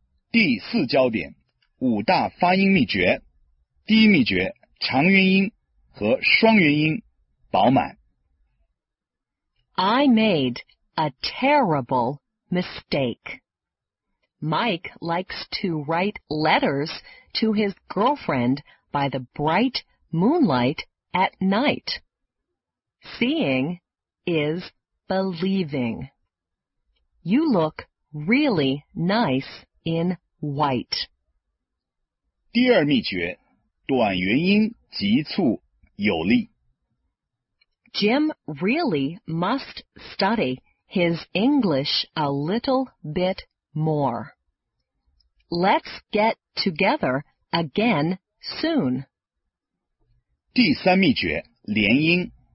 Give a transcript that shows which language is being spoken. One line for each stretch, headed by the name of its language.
Chinese: 第四焦点，五大发音秘诀。第一秘诀，长元音和双元音饱满。
English: I made a terrible mistake. Mike likes to write letters to his girlfriend by the bright moonlight at night. Seeing is believing. You look really nice in white.
Chinese: 第二秘诀，短元音急促有力。
English: Jim really must study his English a little bit more. Let's get together again soon.
Chinese: 第三秘诀，连音。